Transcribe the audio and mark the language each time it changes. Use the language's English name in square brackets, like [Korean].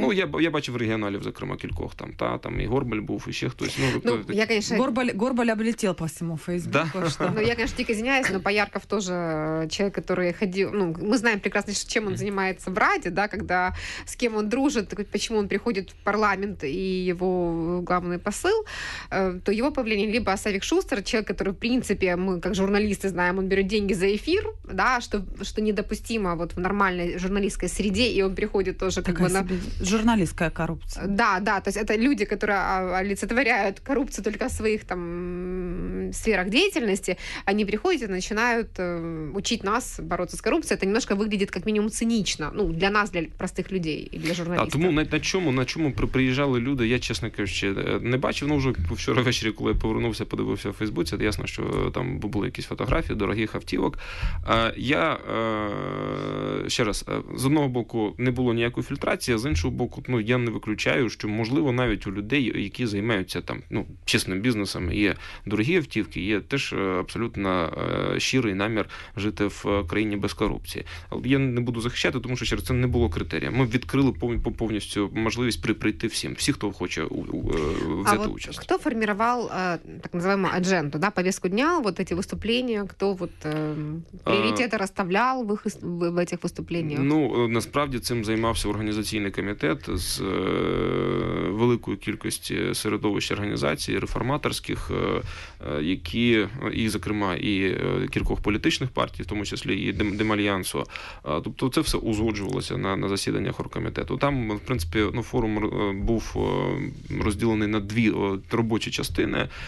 [Ukrainian] Ну, я бачив регіоналів, зокрема, кількох там. Там і Горбаль був, і ще хтось. Горбаль облетів по всьому Фейсбуку. [Russian] Да? [Ukrainian] Ну, я, конечно, тільки зняюсь, но Поярков теж чоловік, який ходив. Ну, ми знаємо прекрасно, чим він займається в Раді, да, когда, з ким він дружить, чому він приходить в парламент. [Russian] парламент и его главный посыл, то его появление либо Савик Шустер, человек, который, в принципе, мы как журналисты знаем, он берет деньги за эфир, да, что недопустимо вот в нормальной журналистской среде, и он приходит тоже такая как бы на... журналистская коррупция. Да, да, то есть это люди, которые олицетворяют коррупцию только в своих там сферах деятельности, они приходят и начинают учить нас бороться с коррупцией. Это немножко выглядит как минимум цинично, ну, для нас, для простых людей и для журналистов. [Ukrainian] А тому на чому приїжджали люди, я, чесно кажучи, не бачив, ну, вже вчора ввечері, коли я повернувся, подивився в Фейсбуці, ясно, що там були якісь фотографії дорогих автівок. Я, ще раз, з одного боку, не було ніякої фільтрації, а з іншого боку, ну, я не виключаю, що, можливо, навіть у людей, які займаються там, ну, чесним бізнесом, є дорогі автівки, є теж абсолютно щирий намір жити в країні без корупції. Я не буду захищати, тому що, ще раз, це не було критерія. Ми відкрили повністю можливість прийти всім, всі, хто хоче взяти участь. А хто формував так називаємо адженду, да, повістку дня, [Russian] вот эти выступления, кто вот приоритеты расставлял в этих выступлениях? [Ukrainian] Ну, насправді цим займався організаційний комітет з великої кількості середовищ організацій реформаторських, які, і, зокрема, і кількох політичних партій, в тому числі і Демальянсу. Тобто це все узгоджувалося на засіданнях оргкомітету. Там, в принципі, ну, форум був розділений на дві робочі частини.